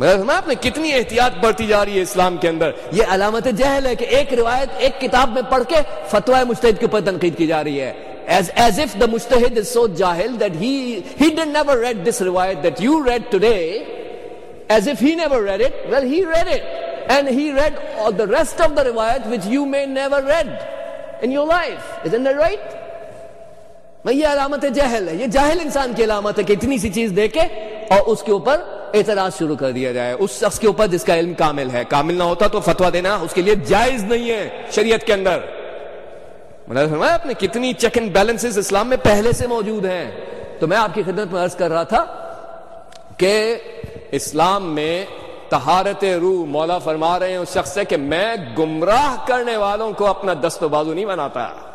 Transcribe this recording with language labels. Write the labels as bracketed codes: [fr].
[ur] آپ نے کتنی احتیاط بڑھتی جا رہی ہے اسلام کے اندر، یہ علامت جہل ہے کہ ایک روایت ایک کتاب میں پڑھ کے فتویٰ مجتہد کے اوپر تنقید کی جا رہی ہے، [en] as if the mujtahid is so jahil that he did never read this riwayat that you read today, as if he never read it. Well, he read it and he read all the rest of the riwayat which you may never read in your life, isn't that right? [ur] میں یہ علامت جہل ہے، یہ جاہل انسان کی علامت ہے کہ اتنی سی چیز دے کے اور اس کے اوپر اعتراض شروع کر دیا جائے، اس شخص کے اوپر جس کا علم کامل ہے۔ کامل نہ ہوتا تو فتویٰ دینا اس کے لیے جائز نہیں ہے شریعت کے اندر۔ مطلب فرمایا آپ نے کتنی چیک اینڈ بیلنسز اسلام میں پہلے سے موجود ہیں۔ تو میں آپ کی خدمت میں عرض کر رہا تھا کہ اسلام میں طہارت روح، مولا فرما رہے ہیں اس شخص سے کہ میں گمراہ کرنے والوں کو اپنا دست و بازو نہیں بناتا۔